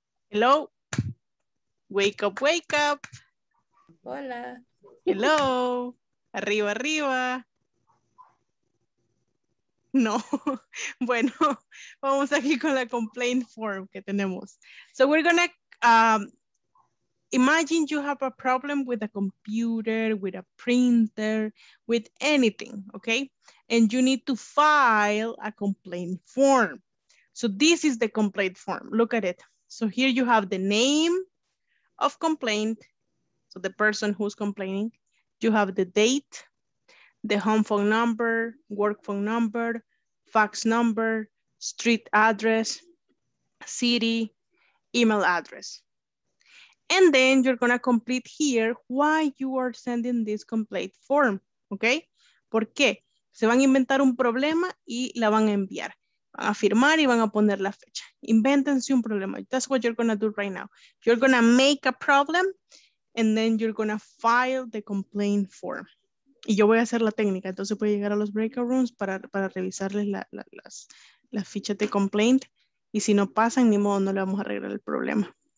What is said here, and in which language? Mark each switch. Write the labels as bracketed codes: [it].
[en] Hello. Wake up, wake up. [es] Hola. [en] Hello. [es] Arriba, arriba. No. Bueno, vamos aquí con la complaint form que tenemos. [en] So we're gonna imagine you have a problem with a computer, with a printer, with anything, okay? And you need to file a complaint form. So this is the complaint form. Look at it. So here you have the name of complaint, so the person who's complaining. You have the date, the home phone number, work phone number, fax number, street address, city, email address. And then you're gonna complete here why you are sending this complaint form, okay? [es] ¿Por qué? Se van a inventar un problema y la van a enviar. Van a firmar y van a poner la fecha. Invéntense un problema. [en] That's what you're gonna do right now. You're gonna make a problem and then you're gonna file the complaint form. [es] Y yo voy a hacer la técnica, entonces voy a llegar a los breakout rooms para revisarles las fichas de complaint. Y si no pasan, ni modo, no le vamos a arreglar el problema.